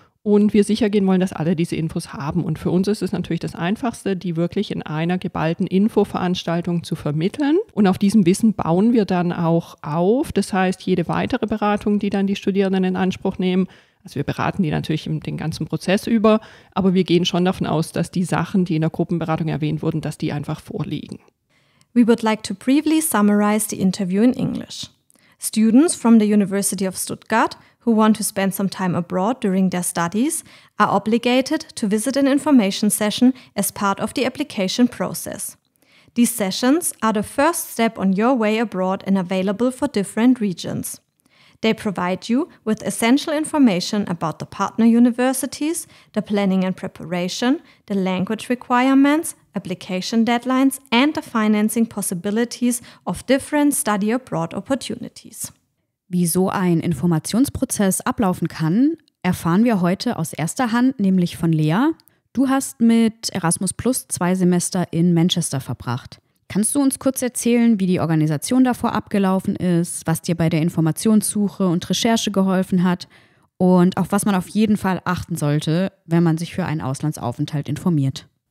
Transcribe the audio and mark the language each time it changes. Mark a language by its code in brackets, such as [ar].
[de] Und wir sicher gehen wollen, dass alle diese Infos haben. Und für uns ist es natürlich das Einfachste, die wirklich in einer geballten Infoveranstaltung zu vermitteln. Und auf diesem Wissen bauen wir dann auch auf. Das heißt, jede weitere Beratung, die dann die Studierenden in Anspruch nehmen, also wir beraten die natürlich den ganzen Prozess über, aber wir gehen schon davon aus, dass die Sachen, die in der Gruppenberatung erwähnt wurden, dass die einfach vorliegen. [en] We would like to briefly summarize the interview in English. Students from the University of Stuttgart who want to spend some time abroad during their studies are obligated to visit an information session as part of the application process. These sessions are the first step on your way abroad and available for different regions. They provide you with essential information about the partner universities, the planning and preparation, the language requirements, application deadlines, and the financing possibilities of different study abroad opportunities. [de] Wie so ein Informationsprozess ablaufen kann, erfahren wir heute aus erster Hand, nämlich von Lea. Du hast mit Erasmus Plus 2 Semester in Manchester verbracht. Kannst du uns kurz erzählen, wie die Organisation davor abgelaufen ist, was dir bei der Informationssuche und Recherche geholfen hat und auf was man auf jeden Fall achten sollte, wenn man sich für einen Auslandsaufenthalt informiert?